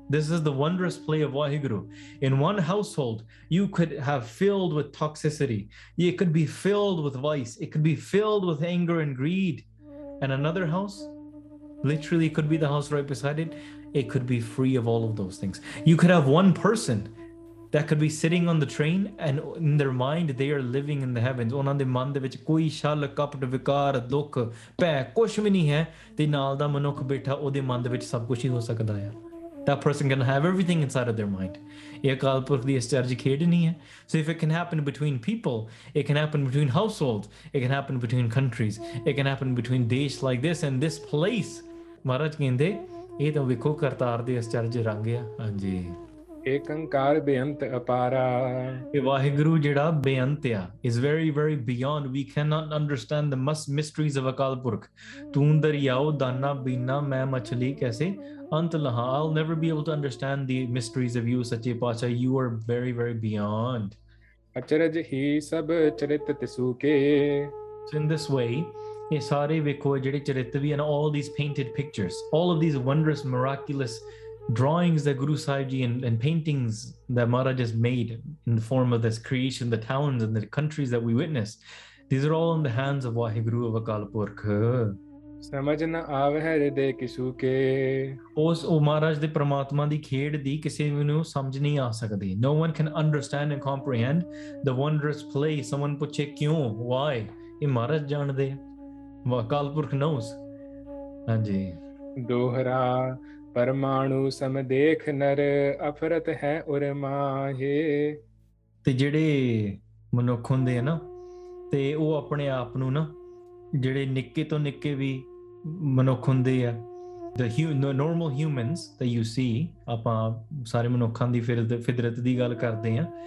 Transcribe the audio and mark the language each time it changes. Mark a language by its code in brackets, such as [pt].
[en] This is the wondrous play of Waheguru. In one household you could have filled with toxicity, it could be filled with vice, it could be filled with anger and greed, and another house literally could be the house right beside it, it could be free of all of those things. You could have one person that could be sitting on the train and in their mind they are living in the heavens. [pa] ਉਹਨਾਂ ਦੇ ਮਨ ਦੇ ਵਿੱਚ ਕੋਈ ਛਲ ਕਪਟ ਵਿਕਾਰ ਦੁੱਖ ਭੈ ਕੁਛ ਵੀ ਨਹੀਂ ਹੈ, ਤੇ ਨਾਲ ਦਾ ਮਨੁੱਖ ਬੈਠਾ ਉਹਦੇ ਮਨ ਦੇ ਵਿੱਚ ਸਭ ਕੁਛ ਹੀ ਹੋ ਸਕਦਾ ਆ. [en] That person can have everything inside of their mind. [pa] ਇਹ ਅਕਾਲ ਪੁਰਖ ਦੀ ਅਸਚਰਜੀ ਖੇਡ ਨਹੀਂ ਹੈ. [en] So if it can happen between people, it can happen between household, it can happen between countries, it can happen between ਦੇਸ਼ like this and this place. [pa] ਮਹਾਰਾਜ ਕਹਿੰਦੇ ਇਹ ਤਾਂ ਵੇਖੋ ਕਰਤਾਰ ਦੇ ਅਸਚਰਜ ਰੰਗ ਆ. ਹਾਂਜੀ, ਏਕੰਕਾਰ ਬੇਅੰਤ ਅਪਾਰਾ, ਇਹ ਵਾਹਿਗੁਰੂ ਜਿਹੜਾ ਬੇਅੰਤ ਆ, [en] Is very very beyond, we can not understand the ਮਸ mysteries of Akal Purkh. [pa] ਤੂੰ ਦਰਿਆਓ ਦਾਨਾ ਬੀਨਾ ਮੈਂ ਮਛਲੀ ਕੈਸੇ ਅੰਤ ਲਹਾ. [en] I will never be able to understand the mysteries of you Sache Patshah. You are very very beyond. [pa] ਅਚਰਜ ਹੀ ਸਭ ਚਰਿਤ ਤਿਸੂ ਕੇ. [en] in this way [pa] ਇਹ ਸਾਰੇ ਵੇਖੋ ਜਿਹੜੇ ਚਰਿਤ ਵੀ ਹਨ, [en] All these painted pictures, all of these wonders miraculous drawings that Guru Sahib Ji and paintings that Maharaj has made in the form of this creation, the towns and the countries that we witness, these are all in the hands of Waheguru of Akal Purkh. [pa] ਸਮਝ ਨਾ ਆਵੇ ਹਿਰਦੇ ਕਿਸੂ ਕੇ, ਉਸ ਉਹ ਮਹਾਰਾਜ ਦੇ ਪ੍ਰਮਾਤਮਾ ਦੀ ਖੇਡ ਦੀ ਕਿਸੇ ਵੀ ਨੂੰ ਸਮਝ ਨਹੀਂ ਆ ਸਕਦੀ. [en] No one can understand and comprehend the wondrous play. Someone [pa] ਪੁੱਛੇ ਕਿਉਂ, [en] why, [pa] ਇਹ ਮਹਾਰਾਜ ਜਾਣਦੇ ਆ, ਅਕਾਲ ਪੁਰਖ [en] knows. [pa] ਹਾਂਜੀ, ਦੋਹਰਾ ਪਰਮਾਣੂ ਸਮ ਦੇਖ ਨਰ ਅਫਰਤ ਹੈ ਉਰ ਮਾਹੇ. ਤੇ ਜਿਹੜੇ ਮਨੁੱਖ ਹੁੰਦੇ ਆ ਨਾ, ਤੇ ਉਹ ਆਪਣੇ ਆਪ ਨੂੰ ਨਾ, ਜਿਹੜੇ ਨਿੱਕੇ ਤੋਂ ਨਿੱਕੇ ਵੀ ਮਨੁੱਖ ਹੁੰਦੇ ਆ, [en] normal humans that you see, [pa] ਆਪਾਂ ਸਾਰੇ ਮਨੁੱਖਾਂ ਦੀ ਫਿਤਰਤ ਦੀ ਗੱਲ ਕਰਦੇ ਹਾਂ.